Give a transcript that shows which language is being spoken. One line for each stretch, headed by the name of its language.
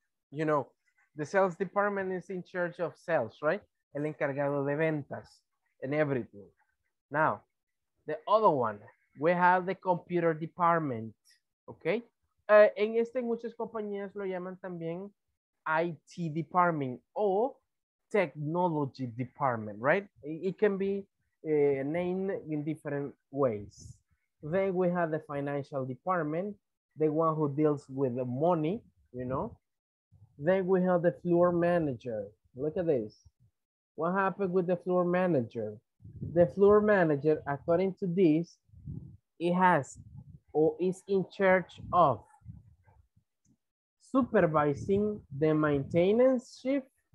English: You know, the sales department is in charge of sales, right?
Spanish: El encargado de ventas
English: and everything. Now, the other one, we have the computer department, okay?
Spanish: En este, muchas compañías lo llaman también IT department o technology department, right?
English: It can be named in different ways. Then we have the financial department, the one who deals with the money, you know? Then we have the floor manager. Look at this. What happened with the floor manager? The floor manager, according to this, it has or is in charge of supervising the maintenance shift.